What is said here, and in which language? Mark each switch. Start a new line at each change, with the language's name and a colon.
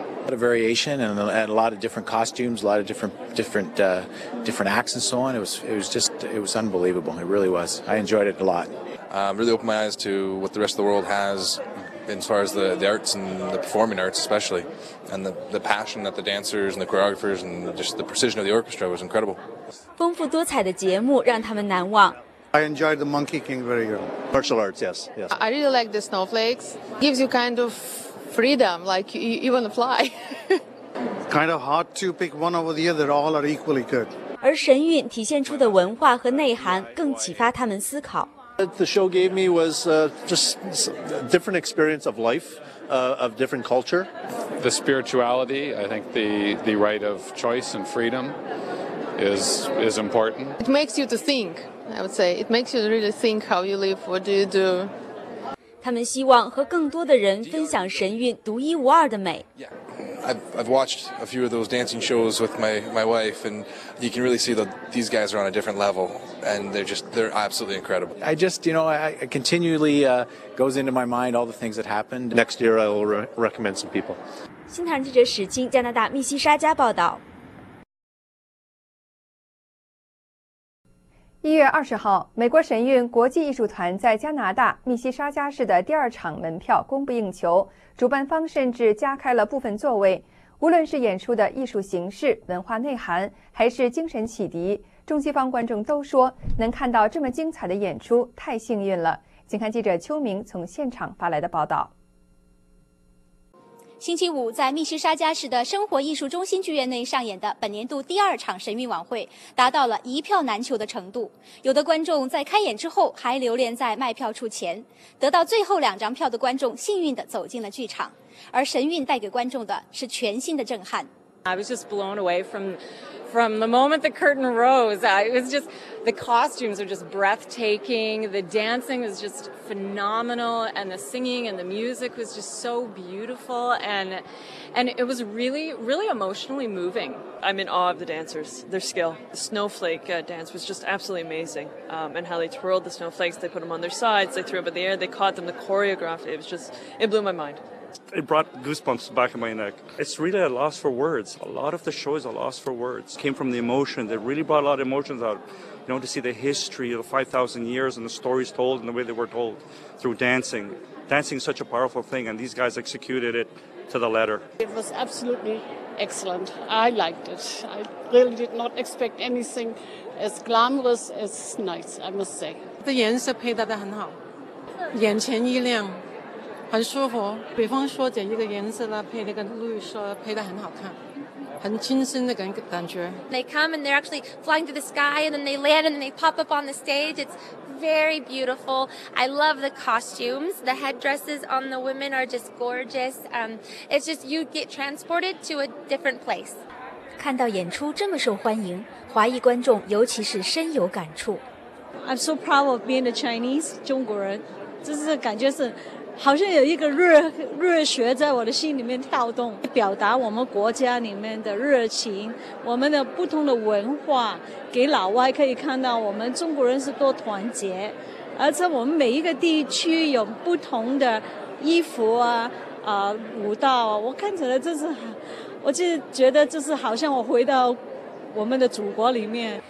English: A lot of variation and a lot of different costumes, a lot of different acts and so on. It was unbelievable. It really was. I enjoyed it a lot. Really opened my eyes to what the rest of the world has as far as the arts and the performing arts especially. And the passion that the dancers and the choreographers and just the precision of the orchestra was incredible.
Chinese: 丰富多彩的节目让他们难忘。
English: I enjoyed the Monkey King very well. Martial arts, yes, yes. I really like the snowflakes. Gives you kind of... freedom, like you want to fly. Kind of hard to pick one over the other. All are equally good.
Chinese: 而神韵体现出的文化和内涵更启发他们思考。
English: What the show gave me was just different experience of life, of different culture. The spirituality, I think the right of choice and freedom is important. It makes you to think. I would say it makes you really think how you live. What do you do?
Chinese: 他们希望和更多的人分享神韵独一无二的美。
English: I've watched a few of those dancing shows with my wife, and you can really see that these guys are on a different level, and they're absolutely incredible. I just, you know, I continually goes into my mind all the things that happened. Next year, I will recommend some people.
Chinese: 新唐记者史清，加拿大密西沙加报道。 1月20号，美国神韵国际艺术团在加拿大密西沙加市的第二场门票供不应求，主办方甚至加开了部分座位。无论是演出的艺术形式、文化内涵，还是精神启迪，中西方观众都说能看到这么精彩的演出太幸运了。请看记者邱明从现场发来的报道。星期五在密西沙加市的生活艺术中心剧院内上演的本年度第二场神韵晚会达到了一票难求的程度，有的观众在开演之后还留恋在卖票处前，得到最后两张票的观众幸运地走进了剧场，而神韵带给观众的是全新的震撼。
English: I was just blown away from the moment the curtain rose. It was just, the costumes are just breathtaking. The dancing was just phenomenal. And the singing and the music was just so beautiful. And it was really, really emotionally moving. I'm in awe of the dancers, their skill. The snowflake dance was just absolutely amazing. And how they twirled the snowflakes, they put them on their sides, they threw them in the air, they caught them, the choreography, it was just, it blew my mind. It brought goosebumps back in my neck. It's really a loss for words. A lot of the show is a loss for words. It came from the emotion. They really brought a lot of emotions out. You know, to see the history of 5,000 years and the stories told and the way they were told through dancing. Dancing is such a powerful thing, and these guys executed it to the letter. It was absolutely excellent. I liked it. I really did not expect anything as glamorous as nice, I must say.
Chinese: The 颜色配搭得很好，眼前一亮。很舒服，比方说这一个颜色啦，配那个绿色，配得很好看，很清新的感觉。
English: They come and they're actually flying through the sky, and then they land and they pop up on the stage. It's very beautiful. I love the costumes. The headdresses on the women are just gorgeous. It's just you get transported to a different place.
Chinese: 看到演出这么受欢迎，华裔观众尤其是深有感触。
English: I'm so proud of being a Chinese,
Chinese: 中国人，就是感觉是。好像有一个热血在我的心里面跳动，表达我们国家里面的热情，我们的不同的文化，给老外可以看到我们中国人是多团结，而且我们每一个地区有不同的衣服啊，舞蹈啊，我看起来就是，我就觉得就是好像我回到我们的祖国里面。